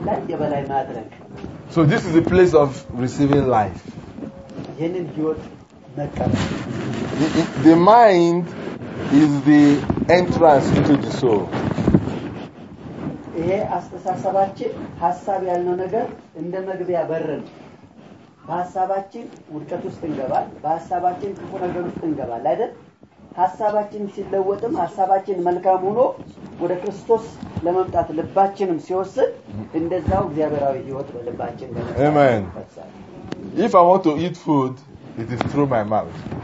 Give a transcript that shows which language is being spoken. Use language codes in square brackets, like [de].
[en] So this is the place of receiving life. The mind is the entrance into the soul. [am] ይሄ አስተሳሰባችን ሐሳብ ያለው ነገር እንደመግቢያ በርን በሐሳባችን ውድቀት ውስጥ እንገባል በሐሳባችን ክፉ ነገር ውስጥ እንገባል አይደል ሐሳባችን ሲለወጥም ሐሳባችን መልካም ሆኖ ወደ ክርስቶስ ለመምጣት ልባችንም ሲወስድ እንደዛው እግዚአብሔራዊ ህይወት በልባችን አሜን [en] if I want to eat food it is through my mouth